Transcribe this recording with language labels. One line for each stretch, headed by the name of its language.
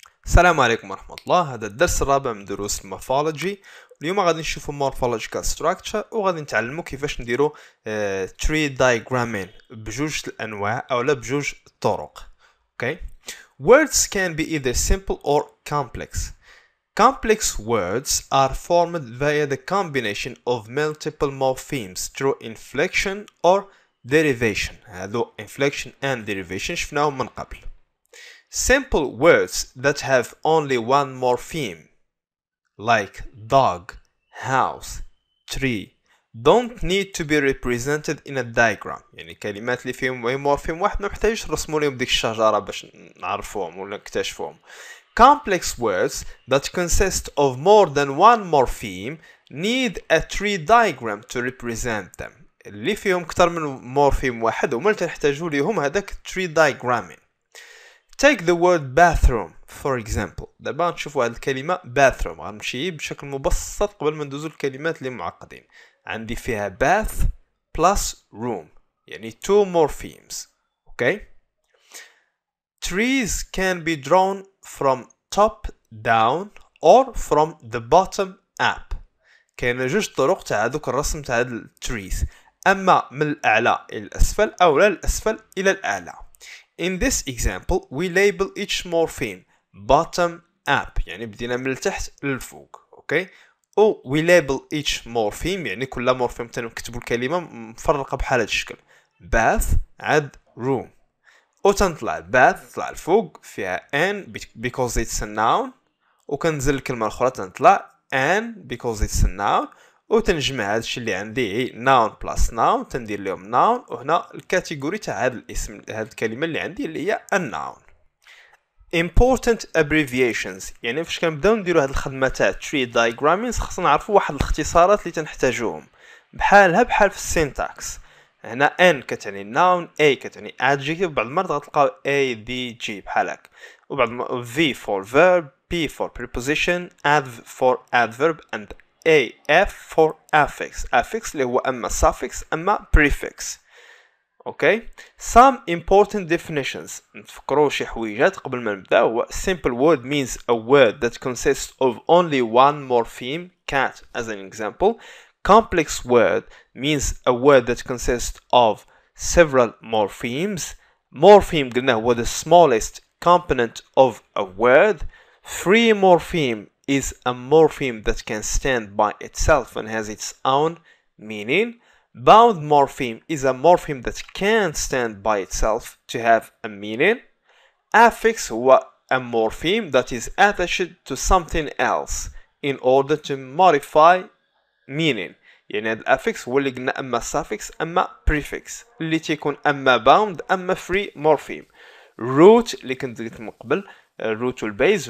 Arabic: السلام عليكم ورحمة الله. هذا الدرس الرابع من دروس المورفولوجي. اليوم غادي نشوفو مورفولوجيكال ستراكشر وغادي نتعلمو كيفاش نديرو تري دايجرامين بجوج الانواع او لا بجوج الطرق.
English: Okay, words can be either simple or complex. Complex words are formed via the combination of multiple morphemes through inflection or derivation.
Arabic: هذو
English: inflection and derivation
Arabic: شفناهم من قبل.
English: Simple words that have only one morpheme, like dog, house, tree, don't need to be represented in a diagram.
Arabic: يعني كلمات اللي فيهم أي مورفيم واحد ما محتاجش رسمو لهم ديك الشجرة باش نعرفوهم ولا نكتشفوهم.
English: Complex words that consist of more than one morpheme need a tree diagram to represent them.
Arabic: اللي فيهم أكثر من مورفيم واحد وما تحتاجوا ليهم هذاك تري دايجرامين.
English: Take the word bathroom for example.
Arabic: دابا نشوفوا هذه الكلمه bathroom، غنمشي بشكل مبسط قبل ما ندوزوا الكلمات اللي معقدين. عندي فيها
English: bath plus room،
Arabic: يعني
English: two morphemes. okay، trees can be drawn from top down or from the bottom up.
Arabic: كاين جوج طرق تاع هذوك الرسم تاع هذ trees، اما من الاعلى الى الاسفل او للاسفل الى الاعلى.
English: In this example, we label each morpheme bottom up.
Arabic: يعني بدينا من التحت للفوق.
English: Okay. Oh, we label each morpheme.
Arabic: يعني كل مورفيم تنكتبوا الكلمة مفرقة بحالة الشكل.
English: Bath
Arabic: عاد
English: room.
Arabic: وتنطلع
English: bath
Arabic: طلع الفوق فيها
English: an because it's a noun.
Arabic: وكنزل الكلمة الأخرى تنطلع
English: an because it's a noun.
Arabic: وتنجمع هذا الشيء اللي عندي noun plus noun تندير لهم noun، وهنا الكاتيجوري تاع هذا الاسم هذه الكلمه اللي عندي اللي هي noun.
English: important abbreviations،
Arabic: يعني فاش كنبداو نديروا هذه الخدمه تاع tree diagramming خاصنا نعرفوا واحد الاختصارات اللي تنحتاجوهم بحالها بحال في syntax.
English: هنا n كتعني noun، a كتعني adjective،
Arabic: بعض المرات غتلقاو
English: a b g بحالك، وبعض v for verb، p for preposition، adv for adverb، and A, F for affix.
Arabic: Affix اللي هو أما suffix أما prefix.
English: Okay. Some important definitions.
Arabic: نتفكروا شي حويجات قبل ما نبدأ.
English: Simple word means a word that consists of only one morpheme. Cat as an example. Complex word means a word that consists of several morphemes. Morpheme
Arabic: قلنا هو
English: the smallest component of a word. Free morpheme is a morpheme that can stand by itself and has its own meaning. Bound morpheme is a morpheme that can stand by itself to have a meaning. Affix هو a morpheme that is attached to something else in order to modify meaning.
Arabic: يعني هذا الافكس هو اللي قلنا اما suffix اما prefix اللي تيكون اما bound اما free morpheme. Root اللي كنت قلت من قبل
English: root or base.